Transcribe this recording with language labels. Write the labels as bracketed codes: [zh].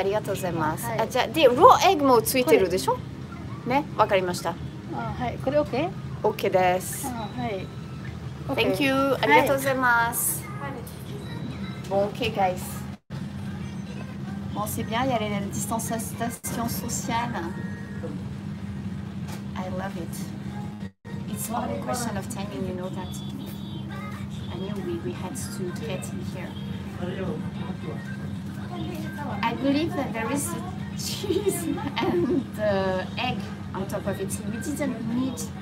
[ja] ありがとうございます。はい、あ、じゃあ、で、 [en] raw egg [ja] もついてるでしょ。ね、わかりました。あ、はい、これ OK? OK です。はい。 [en] Thank you. [ja] ありがとうございます。 [en] はい。OK, guys. [fr] Bon, c'est bien. Il y a la distanciation sociale. [en] I love it. It's not a question of timing, you know that. I knew we had to get in here. I believe that there is cheese and egg on top of it. We didn't need...